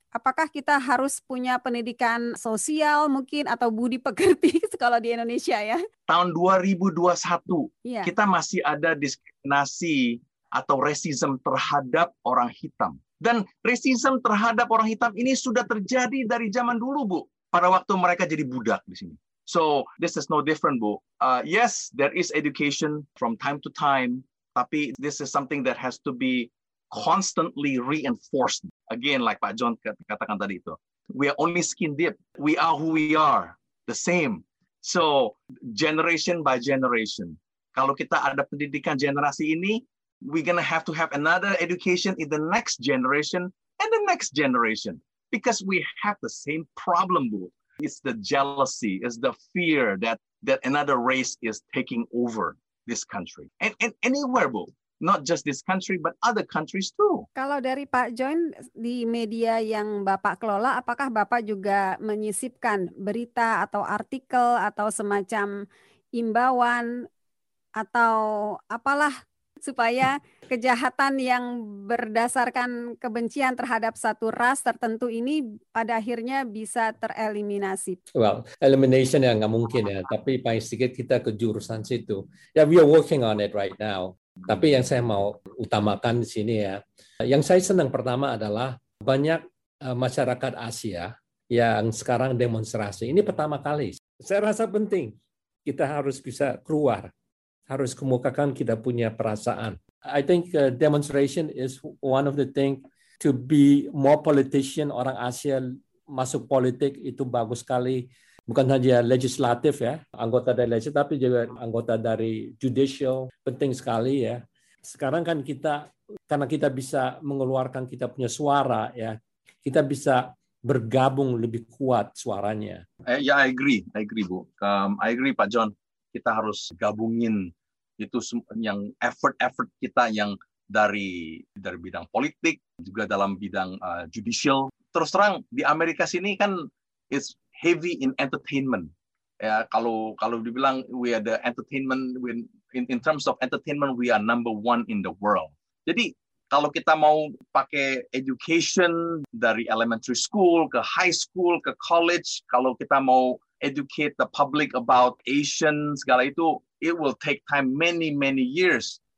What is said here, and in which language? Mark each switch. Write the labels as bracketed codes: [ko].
[id] Apakah kita harus punya pendidikan sosial mungkin atau budi pekerti kalau di Indonesia ya? Tahun 2021, yeah, kita masih ada diskriminasi atau rasisme terhadap orang hitam. Dan rasisme terhadap orang hitam ini sudah terjadi dari zaman dulu, Bu. Pada waktu mereka jadi budak di sini. [en] So, this is no different, Bu. Yes, there is education from time to time. [id] Tapi [en] this is something that has to be constantly reinforced. Again, like Pak John [id] katakan tadi itu. [en] We are only skin deep. We are who we are. The same. So, generation by generation. [id] Kalau kita ada pendidikan generasi ini, [en] we're gonna have to have another education in the next generation and the next generation. Because we have the same problem, Bu. It's the jealousy, it's the fear that another race is taking over this country. And anywhere, Bu. Not just this country, but other countries too. [id] Kalau dari Pak John, di media yang Bapak kelola, apakah Bapak juga menyisipkan berita atau artikel atau semacam imbauan atau apalah supaya kejahatan yang berdasarkan kebencian terhadap satu ras tertentu ini pada akhirnya bisa tereliminasi? Well, elimination ya nggak mungkin ya, tapi paling sedikit kita ke jurusan situ. [en] Yeah, we are working on it right now. [id] Tapi yang saya mau utamakan di sini ya, yang saya senang pertama adalah banyak masyarakat Asia yang sekarang demonstrasi. Ini pertama kali. Saya rasa penting kita harus bisa keluar, harus kemukakan kita punya perasaan. [en] I think demonstration is one of the thing to be more politician. [id] Orang Asia masuk politik itu bagus sekali. Bukan saja legislatif ya, anggota dari legislatif, tapi juga anggota dari judicial. Penting sekali ya. Sekarang kan kita, karena kita bisa mengeluarkan kita punya suara ya, kita bisa bergabung lebih kuat suaranya. [en] Ya, I agree, Bu. I agree, Pak John. [id] Kita harus gabungin itu yang effort kita yang dari bidang politik, juga dalam bidang judicial. Terus terang, di Amerika sini kan [en] it's heavy in entertainment. [id] Ya, kalau dibilang [en] we are the entertainment, in terms of entertainment, we are number one in the world. [id] Jadi, kalau kita mau pakai [en] education dari elementary school ke high school ke college, kalau kita mau educate the public about Asian [id] segala itu, [en] it will take time many, many years.